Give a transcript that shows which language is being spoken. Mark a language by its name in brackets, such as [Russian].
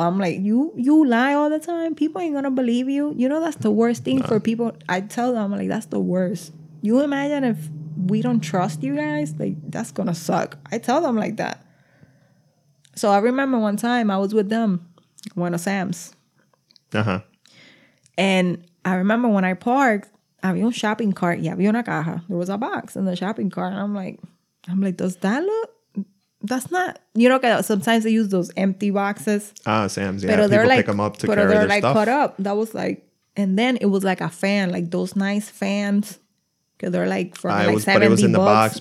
[English] I'm like, you lie all the time. People ain't going to believe you. You know, that's the worst thing for people. I tell them, like, that's the worst. You imagine if we don't trust you guys? Like, that's going to suck. I tell them like that. So I remember one time I was with them, one of Sam's. Uh-huh. And I remember when I parked, [Spanish] había un shopping cart, y había una caja. [English] There was a box in the shopping cart. And I'm like, does that look? That's not, you know, cause sometimes they use those empty boxes. Ah, Sam's, yeah. But they're like, pick them up to carry their like stuff. Cut up. That was like, and then it was like a fan, like those nice fans. Cause they're like from like was, 70 bucks. But it was in the box,